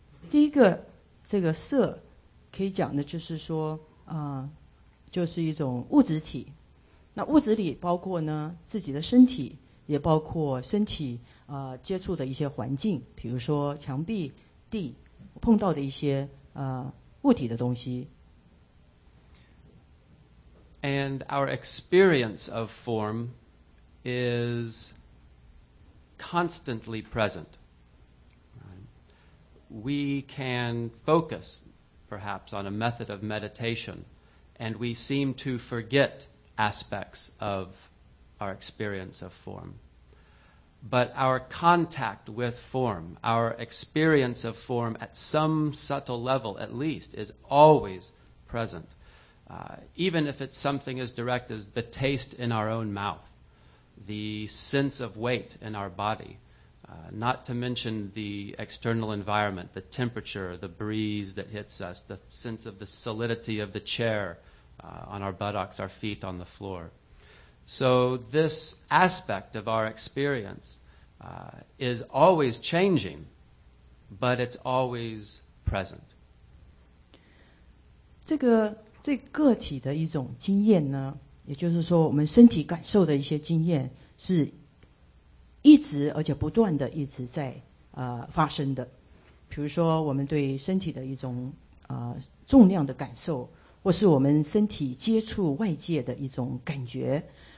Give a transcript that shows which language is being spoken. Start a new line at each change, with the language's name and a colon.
Chinese: 第一个这个色可以讲的就是说就是一种物质体，那物质里包括呢自己的身体，也包括身体接触的一些环境，比如说墙壁、地，碰到的一些物体的东西。
English: And our experience of form is constantly present. We can focus perhaps on a method of meditation and we seem to forget aspects of our experience of form. But our contact with form, our experience of form at some subtle level at least, is always present. Even if it's something as direct as the taste in our own mouth, the sense of weight in our body, not to mention the external environment, the temperature, the breeze that hits us, the sense of the solidity of the chair, on our buttocks, our feet on the floor. So this aspect of our experience is always changing, but it's always present.
Chinese: 这个对个体的一种经验呢，也就是说我们身体感受的一些经验是一直而且不断的一直在发生的，比如说我们对身体的一种重量的感受，或是我们身体接触外界的一种感觉，